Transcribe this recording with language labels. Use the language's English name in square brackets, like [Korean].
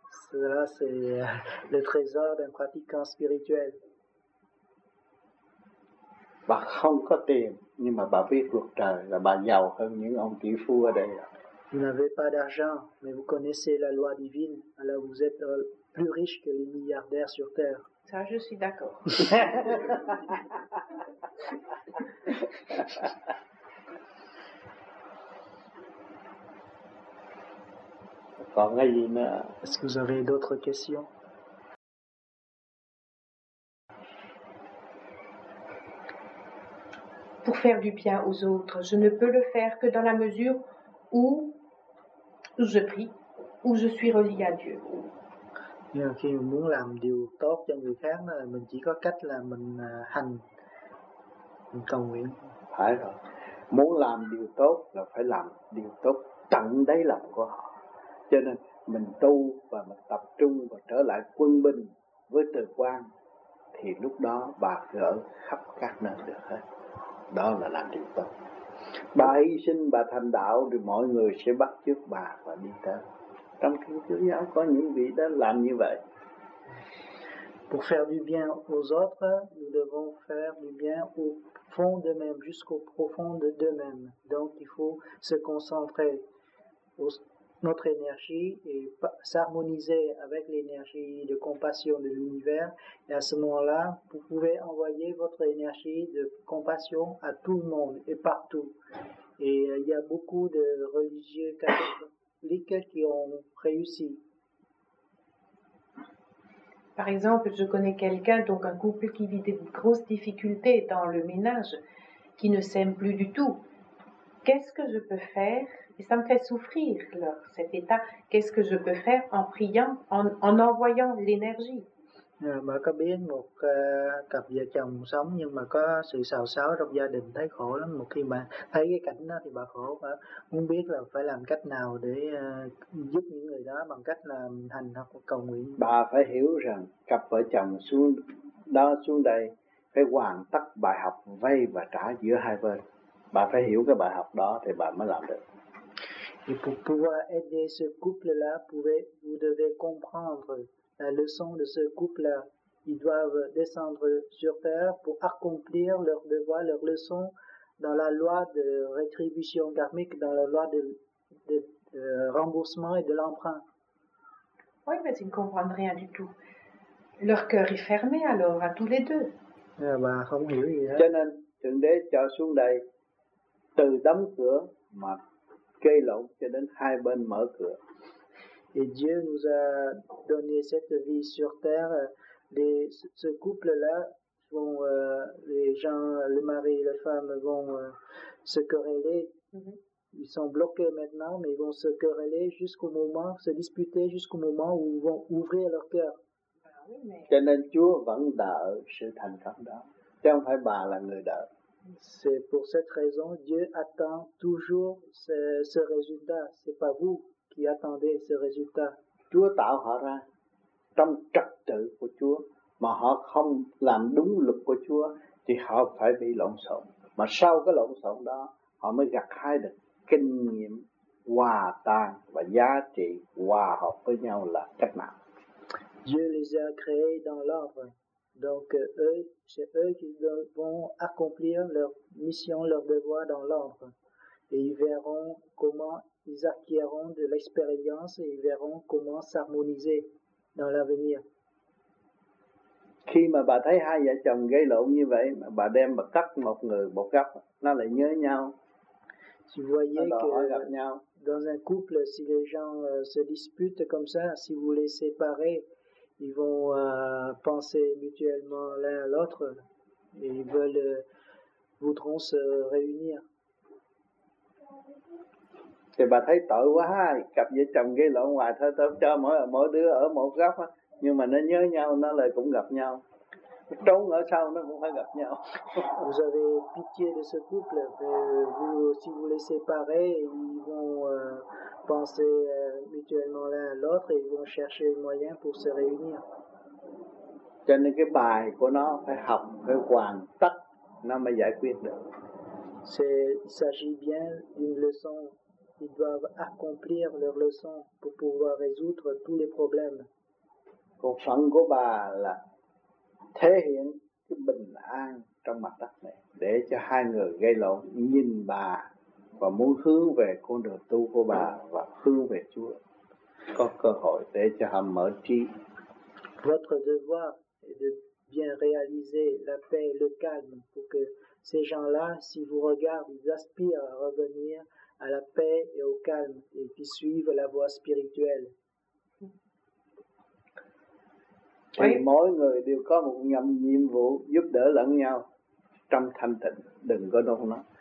[French] Cela, c'est le trésor d'un pratiquant spirituel. [Vietnamese] Bà không có tiền, nhưng mà bà biết luật trời là bà giàu hơn những ông tỷ phú ở đây. [French] Vous n'avez pas d'argent, mais vous connaissez la loi divine, alors vous êtes plus riche que les milliardaires sur Terre. Ça, je suis d'accord. Est-ce que vous avez d'autres questions? Pour faire du bien aux autres, je ne peux le faire que dans la mesure où je prie, où je suis relié à Dieu. [Vietnamese] Nhưng khi muốn làm điều tốt cho người khác là mình chỉ có cách là mình hành, mình cầu nguyện. Phải rồi. Muốn làm điều tốt là phải làm điều tốt tận đáy lòng của họ. Cho nên mình tu và mình tập trung và trở lại quân bình với từ quan, thì lúc đó bà gỡ khắp các nơi được hết. Đó là làm điều tốt. Bà hy sinh, bà thành đạo thì mọi người sẽ bắt chước bà và đi tới. Trong kinh tiểu giáo có những vị đã làm như vậy. [French] Pour faire du bien aux autres, nous devons faire du bien au fond d'eux-mêmes, jusqu'au profond d'eux-mêmes. Donc il faut se concentrer sur notre énergie et s'harmoniser avec l'énergie de compassion de l'univers. Et à ce moment-là, vous pouvez envoyer votre énergie de compassion à tout le monde et partout. Et il y a beaucoup de religieux catholiques qui ont réussi. Par exemple, je connais quelqu'un, donc un couple qui vit des grosses difficultés dans le ménage, qui ne s'aime plus du tout. Qu'est-ce que je peux faire? Et ça me fait souffrir, leur, cet état. Qu'est-ce que je peux faire en priant, en envoyant l'énergie? [Vietnamese] Bà có biết một cặp vợ chồng sống nhưng mà có sự xào xáo trong gia đình, thấy khổ lắm. Một khi mà thấy cái cảnh đó thì bà khổ, bà muốn biết là phải làm cách nào để giúp những người đó bằng cách là hành hoặc cầu nguyện. Bà phải hiểu rằng cặp vợ chồng xuống đó xuống đây phải hoàn tất bài học vay và trả giữa hai bên. Bà phải hiểu cái bài học đó thì bà mới làm được. [French] Et pour pouvoir aider ce couple-là, vous devez comprendre la leçon de ce couple-là. Ils doivent descendre sur terre pour accomplir leur devoir, leur leçon dans la loi de rétribution karmique, dans la loi de remboursement et de l'emprunt. Oui, mais ils ne comprennent rien du tout. Leur cœur est fermé alors à tous les deux. Bah, [Vietnamese] hein? Cho nên, Thượng Đế cho xuống đây từ đóng cửa mà gây lộn cho đến hai bên mở cửa. [French] Et Dieu nous a donné cette vie sur terre. Ce couple-là, vont, les gens, le mari et la femme vont se quereller. Mm-hmm. Ils sont bloqués maintenant, mais ils vont se quereller jusqu'au moment, se disputer jusqu'au moment où ils vont ouvrir leur cœur. [Vietnamese] Cho nên Chúa vẫn đợi sự thành công đó. Chứ không phải bà là người đợi. [French] C'est pour cette raison, Dieu attend toujours ce résultat. Ce n'est pas vous qui attendait ce résultat. [Vietnamese] Chúa tạo họ ra trong trật tự của Chúa, mà họ không làm đúng luật của Chúa thì họ phải bị lộn xộn. Mà sau cái lộn xộn đó, họ mới gặt hái được kinh nghiệm hòa tan và giá trị hòa hợp với nhau là cách nào. [French] Dieu les a créés dans l'ordre, donc eux, c'est eux qui vont accomplir leur mission, leur devoir dans l'ordre, et ils verront comment ils acquériront de l'expérience et ils verront comment s'harmoniser dans l'avenir. [Vietnamese] Khi mà bà thấy hai vợ chồng gây lộn như vậy, bà đem bà cắt một người một góc, nó lại nhớ nhau. [French] Si vous voyez que dans un couple, si les gens se disputent comme ça, si vous les séparez, ils vont penser mutuellement l'un à l'autre et ils voudront se réunir. [Vietnamese] Thì bà thấy tội quá ha, cặp vợ chồng gây lộn hoài thôi, tôi cho mỗi đứa ở một góc á, nhưng mà nó nhớ nhau, nó lại cũng gặp nhau, trốn ở sau nó cũng phải gặp nhau. [French] Vous avez pitié de ce couple, si vous les séparez, ils vont penser mutuellement l'un à l'autre et ils vont chercher un moyen pour se réunir. [Vietnamese] Cho nên cái bài của nó phải học, phải hoàn tất, nó mới giải quyết được. [French] Il s'agit bien d'une leçon. Ils doivent accomplir leur leçon pour pouvoir résoudre tous les problèmes. [Vietnamese] Còn phần của bà là thể hiện cái bình an trong mặt đất này để cho hai người gây lộn nhìn bà và muốn hướng về con đường tu của bà và hướng về Chúa, có cơ hội để cho họ mở trí. [French] Votre devoir est de bien réaliser la paix, le calme, pour que ces gens-là, si vous regardent, ils aspirent à revenir à la paix et au calme, et qui suivent la voie spirituelle. Oui. [Vietnamese] Mỗi người đều có một nhiệm vụ giúp đỡ lẫn nhau trong thanh tịnh, đừng có đâu nó.